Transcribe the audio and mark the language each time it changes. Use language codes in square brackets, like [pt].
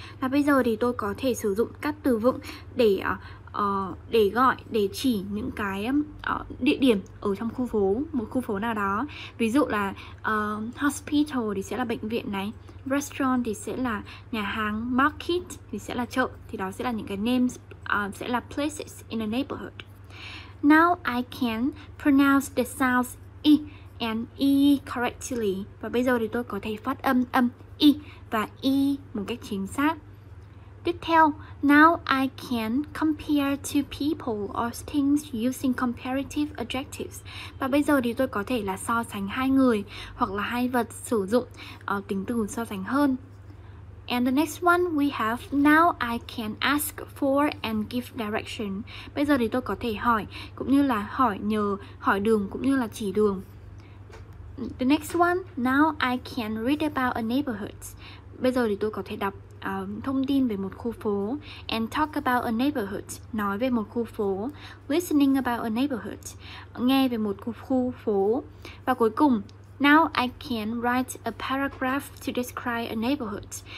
[vi] Là bây giờ thì tôi có thể sử dụng các từ vựng để gọi, để chỉ những cái địa điểm ở trong khu phố, một khu phố nào đó. Ví dụ là hospital thì sẽ là bệnh viện này, restaurant thì sẽ là nhà hàng, market thì sẽ là chợ. Thì đó sẽ là những cái names, sẽ là [en] places in a neighborhood. Now I can pronounce the sounds E and E correctly. [vi] Và bây giờ thì tôi có thể phát âm âm E và E một cách chính xác. Tiếp theo, [en] now I can compare to people or things using comparative adjectives. [vi] Và bây giờ thì tôi có thể là so sánh hai người hoặc là hai vật sử dụng tính từ so sánh hơn. [en] And the next one we have, now I can ask for and give direction. [vi] Bây giờ thì tôi có thể hỏi cũng như là hỏi nhờ, hỏi đường cũng như là chỉ đường. [en] The next one, now I can read about a neighborhood. [vi] Bây giờ thì tôi có thể đọc thông tin về một khu phố. [en] And talk about a neighborhood, [vi] nói về một khu phố. [en] Listening about a neighborhood, [vi] nghe về một khu phố. Và cuối cùng, [en] now I can write a paragraph to describe a neighborhood.